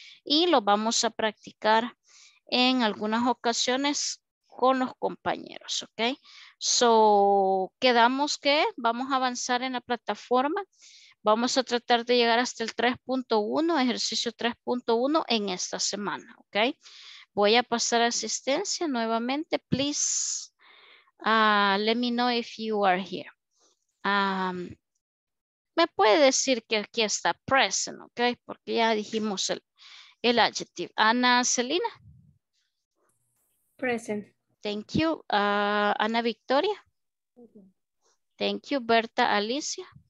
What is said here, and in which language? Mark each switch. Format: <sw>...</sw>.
<es>Y lo vamos a practicar en algunas ocasiones con los compañeros. Okay. So, quedamos que vamos a avanzar en la plataforma. Vamos a tratar de llegar hasta el 3.1, ejercicio 3.1 en esta semana, ¿ok? Voy a pasar a asistencia nuevamente.</es> <en>Please, let me know if you are here.</en> <es>Me puede decir que aquí está present, ¿ok? Porque ya dijimos el adjective. Ana Celina.</es> <en>Present. Thank you. Ana Victoria. Thank you. Berta Alicia.</en>